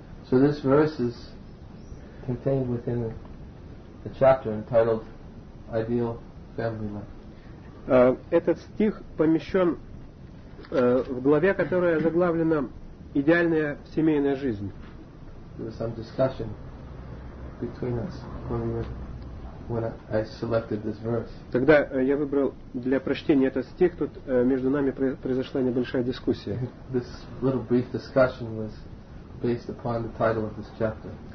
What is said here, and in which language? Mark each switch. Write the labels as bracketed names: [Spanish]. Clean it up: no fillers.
[English] So this verse is contained within a chapter entitled "Ideal Family Life." [Russian] Этот стих помещен в главе, которая заглавлена "Идеальная семейная жизнь". [English] There was some discussion between us when I selected this verse. [Russian] Тогда я выбрал для прочтения этот стих. Тут между нами произошла небольшая дискуссия. [English] This little brief discussion was based upon the title of this chapter.